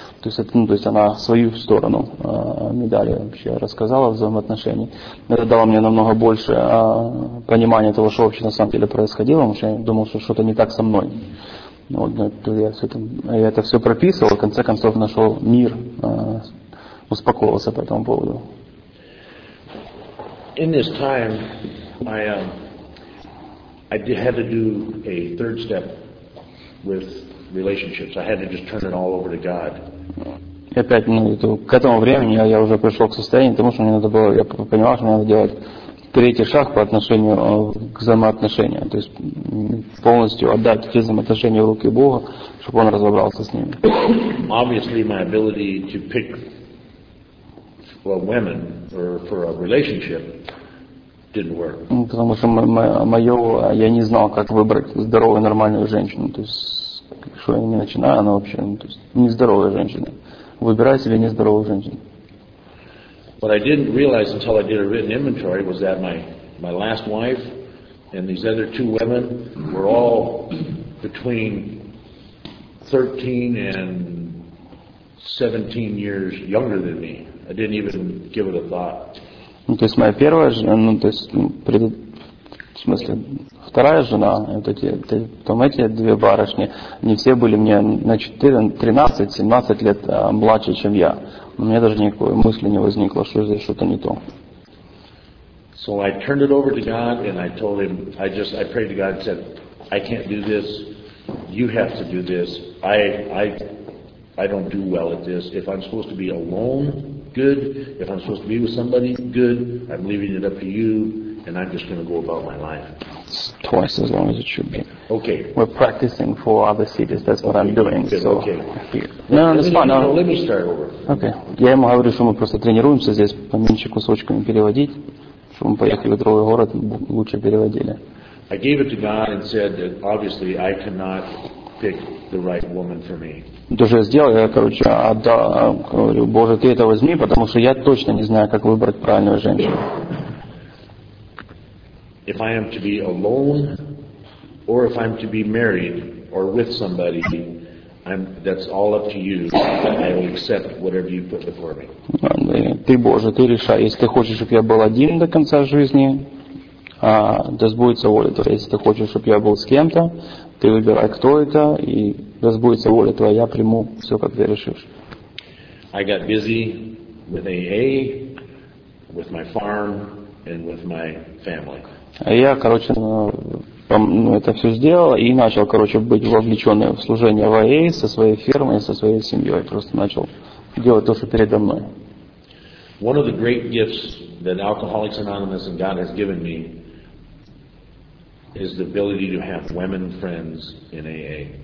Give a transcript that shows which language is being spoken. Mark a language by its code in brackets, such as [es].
[ru] То есть, это, ну, то есть она свою сторону медали вообще рассказала о взаимоотношении. Это дало мне намного больше понимания того, что вообще на самом деле происходило, потому что я думал, что что-то не так со мной. Вот, я это все прописывал, в конце концов нашел мир, успокоился по этому поводу. [en] In this time, I had to do a third step with relationships. I had to just turn it all over to God. [ru] И опять, ну, это, к этому времени я уже пришел к состоянию, потому что мне надо было, я понимал, что мне надо делать третий шаг по отношению к взаимоотношениям, то есть полностью отдать эти взаимоотношения в руки Бога, чтобы Он разобрался с ними. [en] Obviously, my ability to pick women for a relationship didn't work. [ru] Потому что я не знал, как выбрать здоровую, нормальную женщину, то есть что я не начинаю, она вообще, ну, то есть нездоровая женщина. Выбирай себе нездоровую женщину. [en] What I didn't realize until I did a written inventory was that my last wife and these other two women were all between 13 and 17 years younger than me. I didn't even give it a thought. [ru] Ну, то есть моя первая жена, ну, то есть в смысле, вторая жена, вот эти две барышни, они все были мне на 13-17 лет младше, чем я. У меня даже никакой мысли не возникло, что здесь что-то не то. [en] So I turned it over to God and I told him, I prayed to God and said, I can't do this, you have to do this. I don't do well at this. If I'm supposed to be alone, good. If I'm supposed to be with somebody, good. I'm leaving it up to you. And I'm just going to go about my life. It's twice as long as it should be. Okay. We're practicing for other cities. That's what okay. I'm doing. Good. So. Okay. No, that's fine. No. Let me start over. Okay. [ru] Я ему говорю, что мы просто тренируемся здесь поменьше кусочками переводить, чтобы мы поехали в другой город лучше переводили. [en] I gave it to God and said that obviously I cannot pick the right woman for me. [ru] То, что я сделал, я, короче, говорю, Боже, ты это возьми, потому что я точно не знаю, как выбрать правильную женщину. [en] If I am to be alone, or if I'm to be married, or with somebody, that's all up to you. I will accept whatever you put before me. [ru] Ты, Боже, ты решай. Если ты хочешь, чтобы я был один до конца жизни, да сбудется воля твоя. Если ты хочешь, чтобы я был с кем-то, ты выбирай, кто это, и да сбудется воля твоя. Я приму все, как ты решишь. [en] I got busy with AA, with my farm, and with my family. [ru] А я, короче, это все сделал и начал, короче, быть вовлечен в служение в АЭ со своей фермой, со своей семьей. Просто начал делать то, что передо мной. [en] One of the great gifts that Alcoholics Anonymous and God has given me is the ability to have women friends in AA.